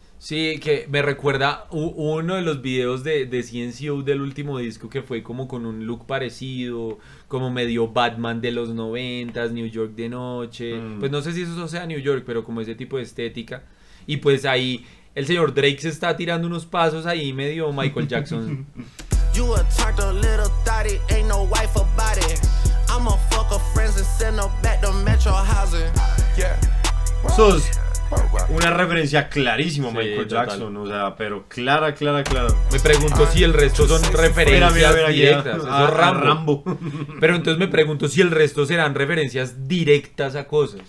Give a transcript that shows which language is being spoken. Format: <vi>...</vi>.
<es>Sí, que me recuerda uno de los videos de CNCO del último disco, que fue como con un look parecido, como medio Batman de los 90s, New York de noche. Pues no sé si eso sea New York, pero como ese tipo de estética. Y pues ahí el señor Drake se está tirando unos pasos ahí medio Michael Jackson.</es> <en>You a turned a little thotty, ain't no wife about it. I'ma fuck her friends and send her back to Metro housing. Yeah.</en> <es>Sos una referencia clarísima, sí, Michael Jackson, total. O sea, pero clara. Me pregunto si el resto son referencias directas. Eso es Rambo. Pero entonces me pregunto si el resto serán referencias directas a cosas.</es>